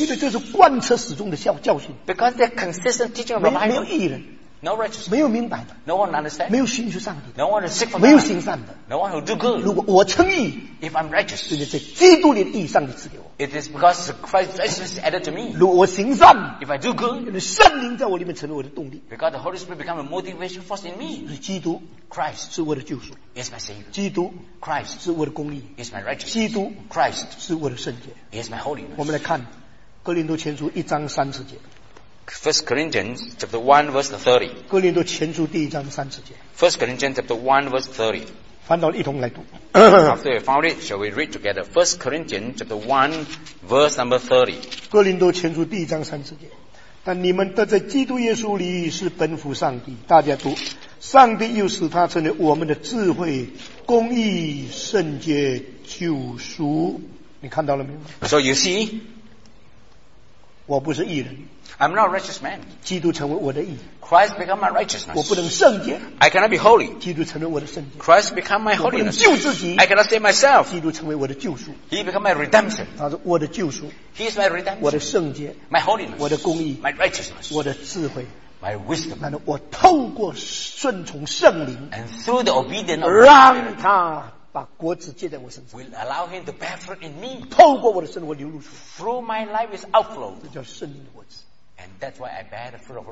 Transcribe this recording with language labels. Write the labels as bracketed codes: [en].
[zh] 因为这是贯彻始终的教训。 [en] Because the consistent teaching of the Bible. [zh] 没有义人。 [en] No righteous. [zh] 没有明白的。 [en] No one understand. [zh] 没有寻求上帝。 [en] No one is sick for [zh] me. 没有行善的。 [en] No one who do good. [zh] 如果我称义。 [en] If I'm righteous. [zh] 所以在基督里的义，上帝赐给我。 [en] It is because Christ's righteousness is added to me. [zh] 如果我行善。 [en] If I do good. [zh] 圣灵在我里面成为我的动力。 [en] Because the Holy Spirit becomes a motivation force in me. [zh] 是基督。 [en] Christ. [zh] 是我的救赎。 [en] Is my savior. [zh] 基督。 [en] Christ. [zh] 是我的公义。 [en] Is my righteousness. [zh] 基督。 [en] Christ. [zh] 是我的圣洁。 [en] Is my holiness. [zh] 我们来看哥林多前书一章三十节。 [en] First Corinthians chapter 1 verse 30. [zh] 哥林多前书第一章三十节。 [en] First Corinthians chapter 1 verse 30. [zh] 翻到一同来读。 [en] After we found it, shall we read together? First Corinthians chapter 1 verse number 30. [zh] 哥林多前书第一章三十节。但你们得在基督耶稣里是本乎上帝。大家读，上帝又使他成为我们的智慧、公义、圣洁、救赎。你看到了没有 [en] ？So you see, [zh] 我不是义人。 [en] I'm not a righteous man. [zh] 基督成为我的义。 [en] Christ become my righteousness. [zh] 我不能圣洁。 [en] I cannot be holy. [zh] 基督成为我的圣洁。 [en] Christ become my holiness. [zh] 我不能救自己。 [en] I cannot save myself. [zh] 基督成为我的救赎。 [en] He become my redemption. [zh] 他是我的救赎。 [en] He is my redemption. [zh] 我的圣洁。 [en] My holiness. [zh] 我的公义。 [en] My righteousness. [zh] 我的智慧。 [en] My wisdom. [zh] 那我透过顺从圣灵。 [en] And through the obedience of God. [zh] 让他把果子结在我身上。 [en] Will allow him to bear fruit in me. [zh] 透过我的生活流露出。 [en] Through my life is outflow. [zh] 这叫圣灵的果子。 [en] And that's why I bear the fruit of the